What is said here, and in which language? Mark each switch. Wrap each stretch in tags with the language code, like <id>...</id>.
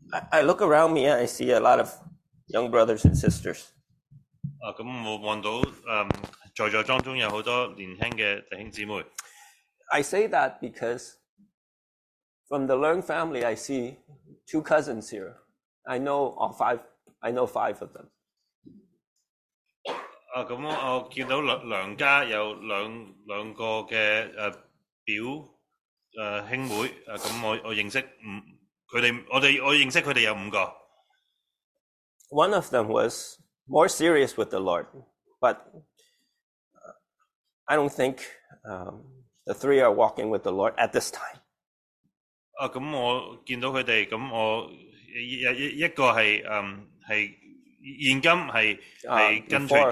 <en>I look around me and I see a lot of young brothers and sisters.</en> <yue>我望到在座当中有好多年轻嘅弟兄姊妹。</yue> <en>I say that because from the Leung family, I see two cousins here. I know all five. I know five of them.</en> <yue>我见到梁家有两个嘅表兄妹。我认识我认识佢哋有五个。</yue> <en>One of them was. More serious with the Lord, but I don't think the three are walking with the Lord at this time.</en> <yue>咁我见到佢哋，咁我一个系系现今系跟随。</yue>